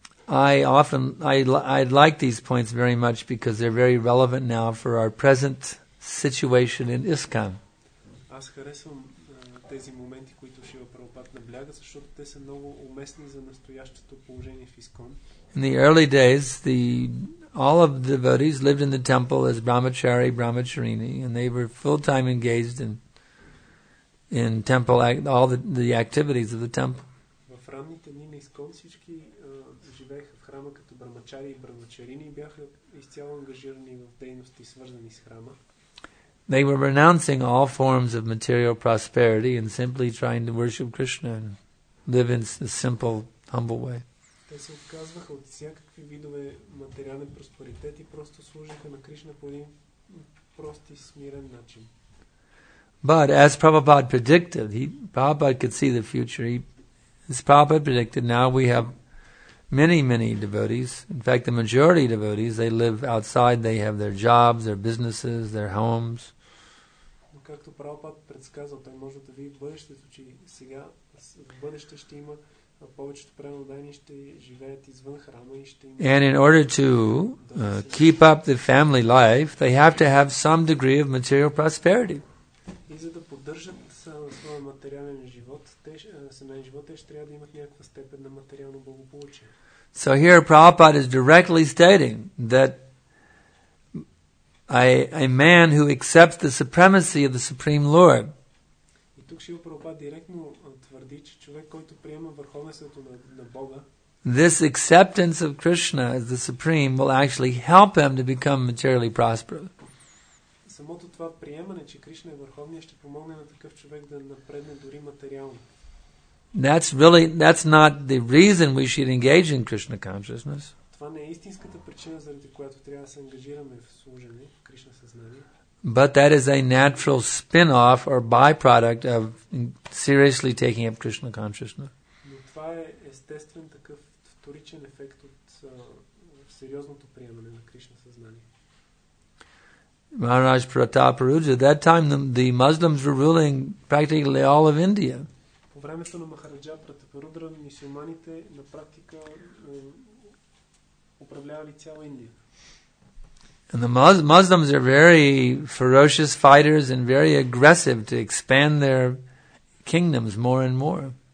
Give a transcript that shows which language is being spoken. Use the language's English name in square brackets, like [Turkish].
[English] I'd like these points very much because they're very relevant now for our present situation in ISKCON. [Bulgarian] Аз харесвам тези моменти, които Шива Прабхупад набляга, защото те са много уместни за настоящото положение в ИСКОН. [English] In the early days, all of the devotees lived in the temple as brahmachari, brahmacharini, and they were full-time engaged in temple all the activities of the temple. [Bulgarian] В ранните дни на ИСКОН всички живееха в храма като брамачари и брамачарини и бяха изцяло ангажирани в дейности, свързани с храма. [English] They were renouncing all forms of material prosperity and simply trying to worship Krishna and live in a simple, humble way. [Bulgarian] Те се отказваха от всякакви видове материален просперитет и просто служиха на Кришна по един прост и смирен начин. [English] But as Prabhupada predicted, Prabhupada could see the future. As Prabhupada predicted, now we have many, many devotees. In fact, the majority of devotees, they live outside. They have their jobs, their businesses, their homes. [Bulgarian] Както Прабхупад предсказал, той може да види бъдещето, че сега в бъдеще ще има повечето преноданни ще живеят извън храма и ще има. [English] And in order to keep up the family life, they have to have some degree of material prosperity. [Bulgarian] И за да поддържат своя материален живот, семейен живот, те ще трябва да имат някаква степен на материално благополучие. [English] So here Prabhupada is directly stating that a man who accepts the supremacy of the Supreme Lord. [Bulgarian] И тук Шрила Прабхупада директно твърди, че човек, който приема върховенството на Бога, [English] this acceptance of Krishna as the Supreme will actually help him to become materially prosperous. [Bulgarian] Самото това приемане, че Кришна е върховния, ще помогне на такъв човек да напредне дори материално. [English] That's not the reason we should engage in Krishna consciousness. [Bulgarian] Това не е истинската причина, заради която трябва да се ангажираме в служене в Кришна съзнание. [English] But that is a natural spin-off or byproduct of seriously taking up Krishna consciousness. [Bulgarian] Но това е естествен такъв вторичен ефект от сериозното приемане на Кришна съзнание. [English] Maharaj Pratap Ruja, at that time the Muslims were ruling practically all of India. [Bulgarian] По времето на Махараджа Пратапарудра мюсюлманите на практика управлявали цяла Индия. [English] And the Muslims are very ferocious fighters and very aggressive to expand their kingdoms more and more.